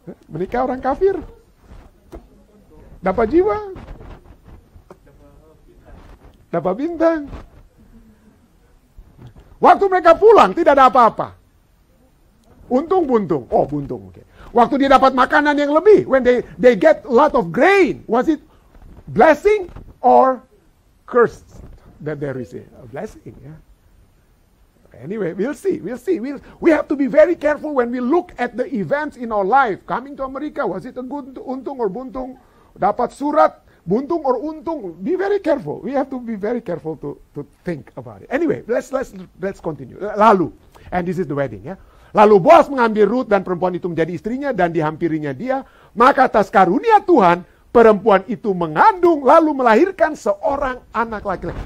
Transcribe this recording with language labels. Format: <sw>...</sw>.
<id>Menikah orang kafir, dapat jiwa, dapat bintang. Waktu mereka pulang tidak ada apa-apa, buntung.</id> <en>Okay.</en> <id>Waktu dia dapat makanan yang lebih,</id> <en>when they get lot of grain, was it blessing or cursed that they receive? A blessing, yeah. Anyway, we'll see. We have to be very careful when we look at the events in our life. Coming to America, was it a good untung or buntung?</en> <id>Dapat surat,</id> <en>buntung or untung? Be very careful. We have to be very careful to think about it. Anyway, let's continue. Lalu, and this is the wedding, ya.</en> <id>Lalu Boaz mengambil Ruth dan perempuan itu menjadi istrinya dan dihampirinya dia. Maka atas karunia Tuhan, perempuan itu mengandung lalu melahirkan seorang anak laki-laki.</id>